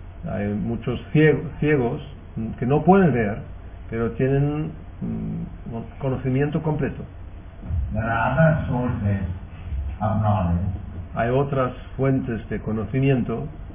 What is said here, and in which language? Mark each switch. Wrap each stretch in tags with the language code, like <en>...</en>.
<es>Hay muchos ciegos que no pueden ver, pero tienen conocimiento completo.</es> <en>There are other sources of knowledge.</en> <es>Hay otras fuentes de conocimiento.</es>